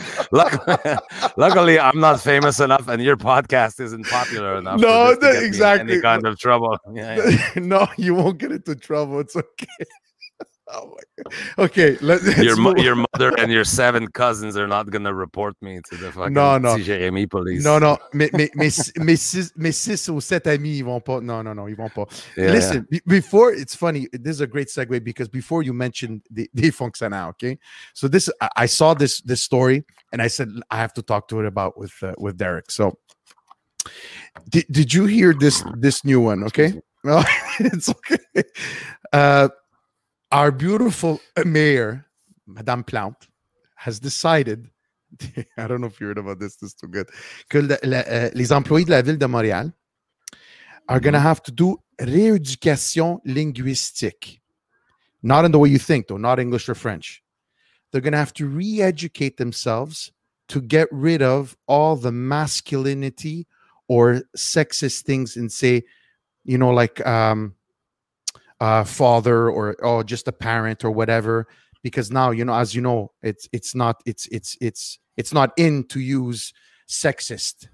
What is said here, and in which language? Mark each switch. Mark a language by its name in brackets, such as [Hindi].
[English] Luckily, I'm not famous enough, and your podcast isn't popular enough. No, to get exactly. Any kind of trouble? Yeah. No, you won't get into trouble. It's okay. Oh my God. Okay, let's your mother and your seven cousins are not gonna report me to the fucking CGMI police. No, no, [French] mes six ou sept amis, ils vont pas. [English] No, [French] ils vont pas. [English] Yeah, listen, yeah. Before it's funny. This is a great segue because before you mentioned the fonctionnaire, okay? So this I saw this story and I said I have to talk to it about with Derek. So did you hear this new one? Okay, no, it's okay. Our beautiful mayor, Madame Plante, has decided. I don't know if you heard about this. This is too good. [French] Que les employés de la ville de Montréal [English] are going to have to do [French] rééducation linguistique. [English] Not in the way you think, though. Not English or French. They're going to have to re-educate themselves to get rid of all the masculinity or sexist things and say, you know, like. Father or just a parent or whatever, because now, you know, as you know, it's not in to use sexist.